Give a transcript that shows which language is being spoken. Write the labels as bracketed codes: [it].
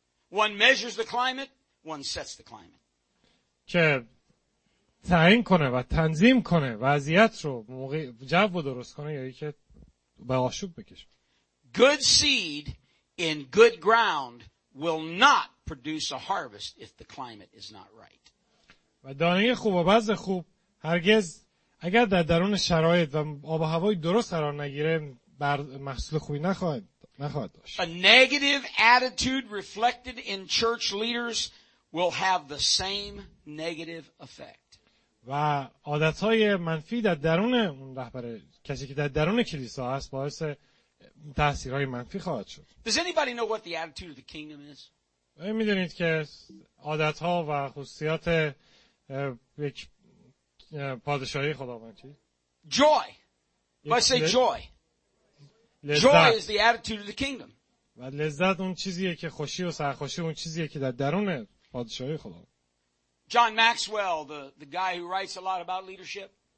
[en] One measures the climate, one sets the climate. [fa] که تعیین کنه و تنظیم کنه وضعیت رو جو رو درست کنه یا اینکه به آشوب بکشه. [en] Good seed in good ground will not produce a harvest if the climate is not right. [fa] و دانه خوب و بذر خوب هرگز اگر در درون شرایط و آب و هوای درست قرار نگیره محصول خوبی نخواهد داشت. [en] A negative attitude reflected in church leaders will have the same negative effect. [fa] و عادت‌های منفی در درون اون رهبر کسی که در درون کلیسا هست باعث تأثیرهای منفی خواهد شد. [en] Does anybody know what the attitude of the kingdom is? [fa] می‌دونید که عادت‌ها و خصوصیات یک پادشاهی خداوند چی؟ [en] Joy. I say joy. [fa] لذت. [en] Joy is the attitude of the kingdom. [fa] و لذت اون چیزیه که خوشی و سرخوشی اون چیزیه که در درون پادشاهی خداوند. [en] John Maxwell, the guy who writes a lot about leadership.